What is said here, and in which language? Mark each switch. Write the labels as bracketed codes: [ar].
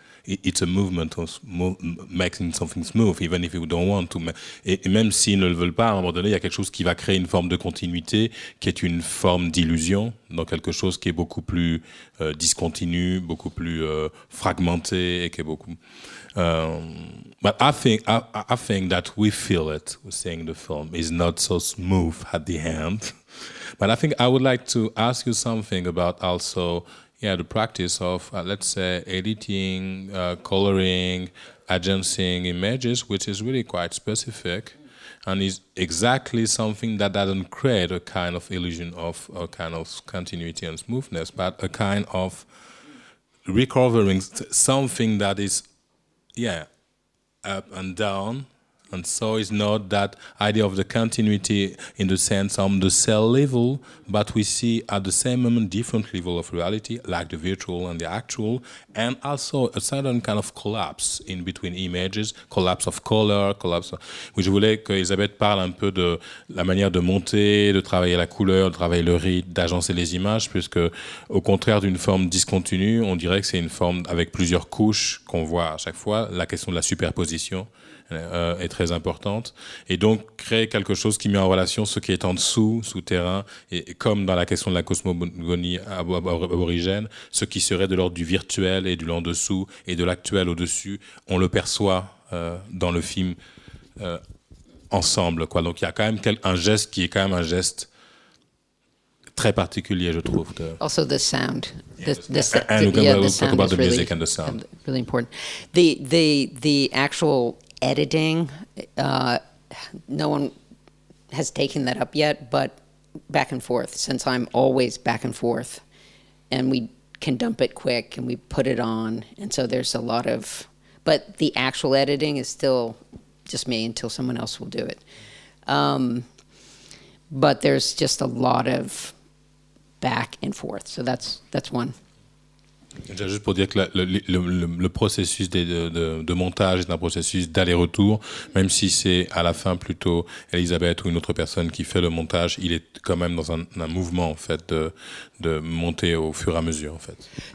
[en] It's a movement of making something smooth, even if you don't want to. [fr] Et même s'ils ne le veulent pas, à un moment donné, il y a quelque chose qui va créer une forme de continuité, qui est une forme d'illusion, donc quelque chose qui est beaucoup plus discontinu, beaucoup plus fragmenté, et qui est beaucoup. [en] But I think that we feel it, saying the film is not so smooth at the end. But I think I would like to ask you something about also. Yeah, the practice of, let's say, editing, coloring, agencing images, which is really quite specific. and is exactly something that doesn't create a kind of illusion of a kind of continuity and smoothness, but a kind of recovering something that is, yeah, up and down. And so it's not that idea of the continuity in the sense on the cell level, but we see at the same moment different level of reality, like the virtual and the actual, and also a certain kind of collapse in between images, collapse of color, collapse. [fr] Oui, je voulais que Elisabeth parle un peu de la manière de monter, de travailler la couleur, de travailler le rythme, d'agencer les images, puisque au contraire d'une forme discontinue, on dirait que c'est une forme avec plusieurs couches qu'on voit à chaque fois, la question de la superposition est très importante, et donc créer quelque chose qui met en relation ce qui est en dessous, souterrain, et comme dans la question de la cosmogonie aborigène, ce qui serait de l'ordre du virtuel et du l'en-dessous, et de l'actuel au-dessus, on le perçoit dans le film ensemble, quoi. Donc il y a quand même un geste qui est quand même un geste très particulier, je trouve. [en] Also the sound. And we'll talk about the music really, and the sound. Really important. The actual editing, no one has taken that up yet, but back and forth, since I'm always back and forth, and we can dump it quick, and we put it on, and so there's a lot of, but the actual editing is still just me until someone else will do it. But there's just a lot of back and forth, so that's one. [fr] Juste pour dire que le processus de montage est un processus d'aller-retour, même si c'est à la fin plutôt Elisabeth ou une autre personne qui fait le montage, il est quand même dans un mouvement en fait de monter au fur et à mesure en fait.